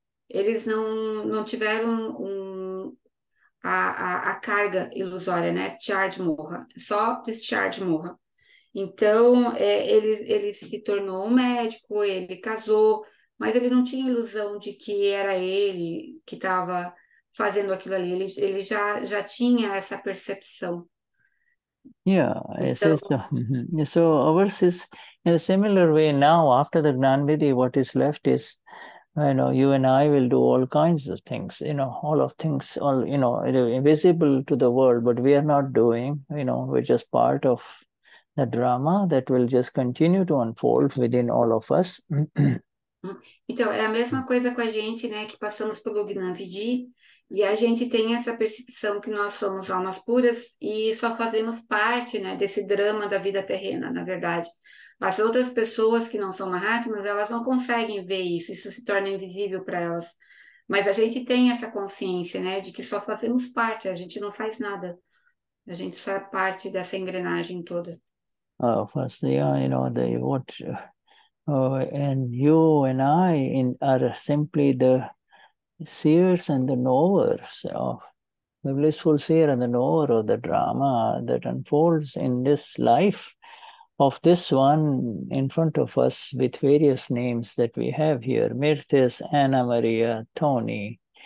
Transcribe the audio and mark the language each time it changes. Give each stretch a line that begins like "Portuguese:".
Portuguese: Eles não tiveram a carga ilusória, né, charge moha, só discharge moha. Então ele se tornou um médico, ele casou, mas ele não tinha ilusão de que era ele que estava fazendo aquilo ali, ele já tinha essa percepção.
English: Yeah, então, so ours is in a similar way now, after the Gnanvidhi, what is left is, you know, you and I will do all kinds of things, you know, all of things, all, you know, invisible to the world, but we are not doing, you know, we're just part of the drama that will just continue to unfold within all of us.
Portuguese: Então, é a mesma coisa com a gente, né, que passamos pelo Gnanvidhi. E a gente tem essa percepção que nós somos almas puras e só fazemos parte, né, desse drama da vida terrena, na verdade. As outras pessoas que não são mahatmas, elas não conseguem ver isso se torna invisível para elas. Mas a gente tem essa consciência, né, de que só fazemos parte, a gente não faz nada. A gente só é parte dessa engrenagem toda.
English: Oh, first, you know, they watch, and you and I are simply the seers and the knowers of the blissful seer and the knower of the drama that unfolds in this life of this one in front of us with various names that we have here, Mirthis, Anna Maria, Tony,